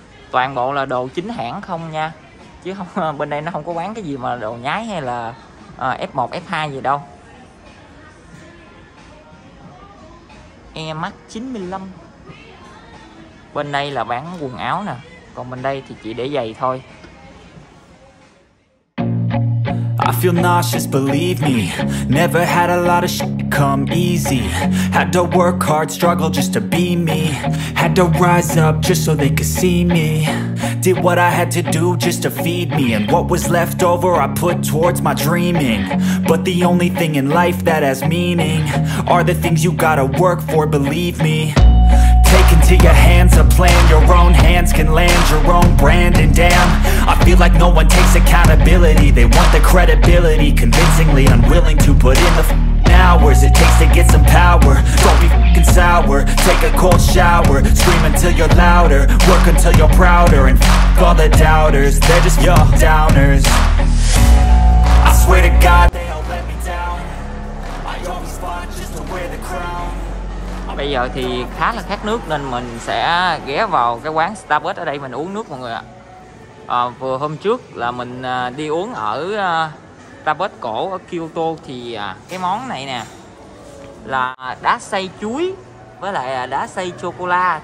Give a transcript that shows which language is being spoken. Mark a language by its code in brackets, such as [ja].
[vi] Toàn bộ là đồ chính hãng không nha, chứ không bên đây nó không có bán cái gì mà đồ nhái hay là F1, F2 gì đâu. Air Max 95. Bên đây là bán quần áo nè, còn bên đây thì chỉ để giày thôi. [en] I feel nauseous, believe me. Never had a lot of shit come easy. Had to work hard, struggle just to be me. Had to rise up just so they could see me. Did what I had to do just to feed me. And what was left over I put towards my dreaming. But the only thing in life that has meaning are the things you gotta work for, believe me. Into your hands a plan, your own hands can land your own brand. And damn, I feel like no one takes accountability. They want the credibility, convincingly unwilling to put in the hours it takes to get some power. Don't be f***ing sour, take a cold shower. Scream until you're louder, work until you're prouder. And f*** all the doubters, they're just your downers. I swear to God they all let me down. I always fought just to wear the crown. [vi] Bây giờ thì khá là khát nước nên mình sẽ ghé vào cái quán Starbucks ở đây mình uống nước mọi người ạ. Vừa hôm trước là mình đi uống ở Starbucks cổ ở Kyoto thì cái món này nè là đá xay chuối với lại đá xay chocola.